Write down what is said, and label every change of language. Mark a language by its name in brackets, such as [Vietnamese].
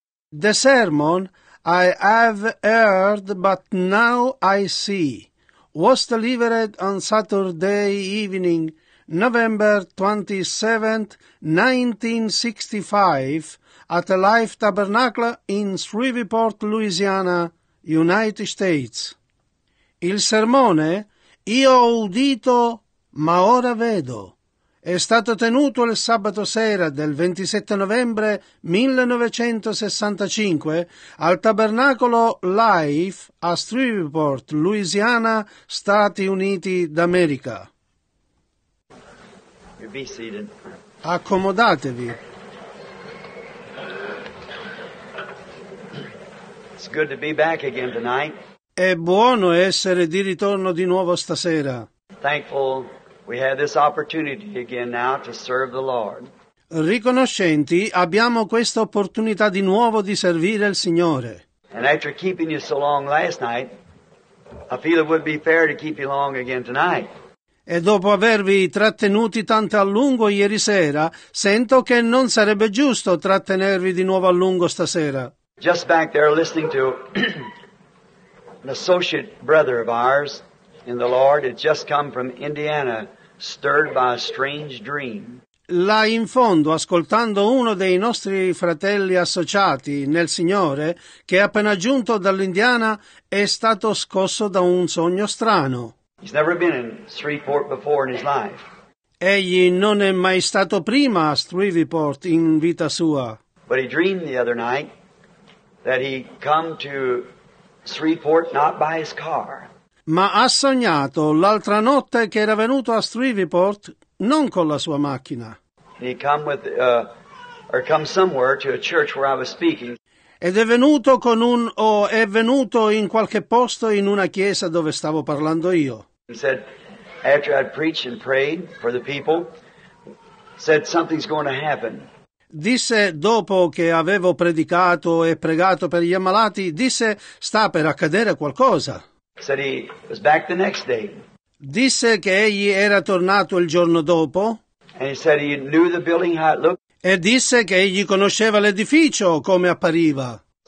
[English] The sermon I have heard, but now I see, was delivered on Saturday evening, November 27, 1965, at Life Tabernacle in Shreveport, Louisiana, United States. [Italian] Il sermone, io ho udito, ma ora vedo, è stato tenuto il sabato sera del 27 novembre 1965 al Tabernacolo Life a Shreveport, Louisiana, Stati Uniti d'America. [English] Be seated. [Italian] Accomodatevi. [English] It's good to be back again tonight. [Italian] È buono essere di ritorno di nuovo stasera. [English] Thankful we have this opportunity again now to serve the Lord. [Italian] Riconoscenti, abbiamo questa opportunità di nuovo di servire il Signore. [English] And after keeping you so long last night, I feel it would be fair to keep you long again tonight. [Italian] E dopo avervi trattenuti tanto a lungo ieri sera, sento che non sarebbe giusto trattenervi di nuovo a lungo stasera. [English] Just back there listening to an associate brother of ours in the Lord, it just come from Indiana, stirred by a strange dream. [Italian] Là in fondo, ascoltando uno dei nostri fratelli associati nel Signore, che è appena giunto dall'Indiana, è stato scosso da un sogno strano. [English] He's never been in Shreveport before in his life. [Italian] Egli non è mai stato prima a Shreveport in vita sua. [English] But he dreamed the other night that he come to Shreveport not by his car. [Italian] Ma ha sognato l'altra notte che era venuto a Shreveport non con la sua macchina. [English] He come with or come somewhere to a church where I was speaking. [Italian] Ed è venuto con un o oh, è venuto in qualche posto in una chiesa dove stavo parlando io. [English] He said, after I'd preached and prayed for the people, said something's going to happen. [Italian] Disse dopo che avevo predicato e pregato per gli ammalati, disse sta per accadere qualcosa. [English] Said he was back the next day. [Italian] Disse che egli era tornato il giorno dopo. [English] And he said he knew the building how it looked. [Italian] E disse che egli conosceva l'edificio come appariva.